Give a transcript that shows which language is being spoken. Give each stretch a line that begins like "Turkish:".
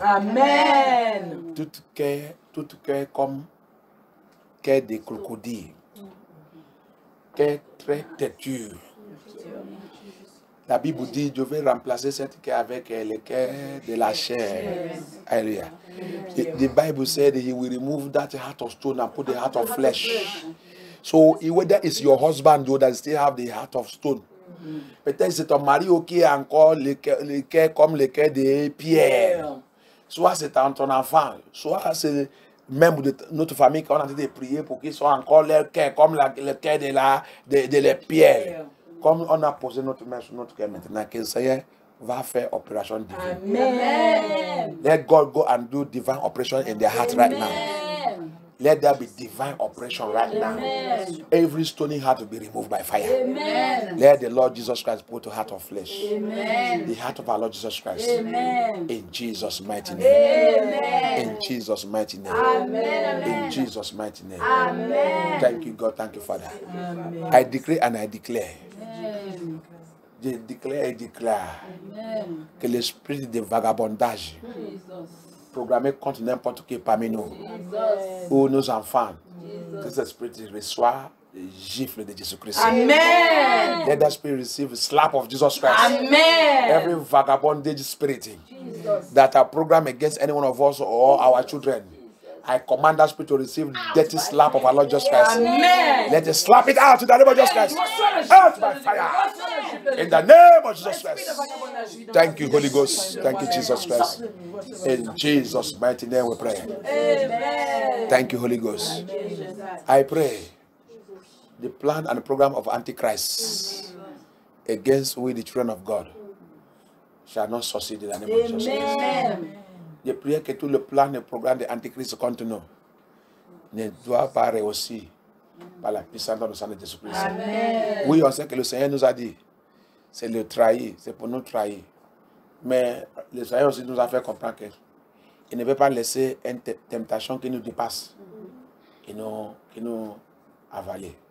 French: Amen. Tout cœur comme cœur de crocodile. Cœur très têtu. La Bible dit, je vais remplacer cette cœur avec le cœur de la chair. Alléluia.
English: The Bible said he will remove that heart of stone and put the heart of flesh. So whether it's your husband though that still have the heart of stone. Mm-hmm.
French: Peut-être que c'est ton mari qui est encore le cœur comme le cœur de Pierre. Soit c'est ton enfant, soit c'est même de notre famille qu'on a dit de prier pour qu'ils soient encore leur cœur comme le cœur de la de Pierre. Mm-hmm. Comme on a posé notre main sur notre cœur maintenant, que le Seigneur va faire opération divine. Amen.
English: Let God go and do divine operation in their heart. Amen. Right now. Let there be divine operation right Amen. Now. Every stony heart will be removed by fire. Amen. Let the Lord Jesus Christ put the heart of flesh. Amen. The heart of our Lord Jesus Christ. Amen. In Jesus' mighty name. Amen. In Jesus' mighty name. Amen. In Jesus' mighty name. Amen. Thank you, God. Thank you, Father. Amen. I decree and I declare. Amen.
French: Je declare et declare. Amen. Que l'esprit de vagabondage. Jesus. Programmé contre n'importe qui parmi nous Jesus. Ou nos enfants Jesus. Que cet esprit reçoit le gifle de Jésus Christ. Amen.
English: Let that spirit receive the slap of Jesus Christ. Amen. Every vagabond spirit that are programmed against any one of us or Jesus. Our children, I command that spirit to receive the dirty slap of our Lord Jesus Christ. Amen. Let it slap it out in the name of Jesus Christ. Out by fire. In the name of Jesus Christ. Thank you, Holy Ghost. Thank you, Jesus Christ. In Jesus' mighty name we pray. Amen. Thank you, Holy Ghost. I pray the plan and program of Antichrist against we, the children of God, shall not succeed in the name of Jesus Christ. Amen.
French: Je prie que tout le plan et le programme de l'Antichrist continue. Ne doit pas réussir par la puissance du sang de Jésus-Christ. Amen. Oui, on sait que le Seigneur nous a dit, c'est le trahir, c'est pour nous trahir. Mais le Seigneur aussi nous a fait comprendre qu'il ne veut pas laisser une temptation qui nous dépasse, qui nous avale.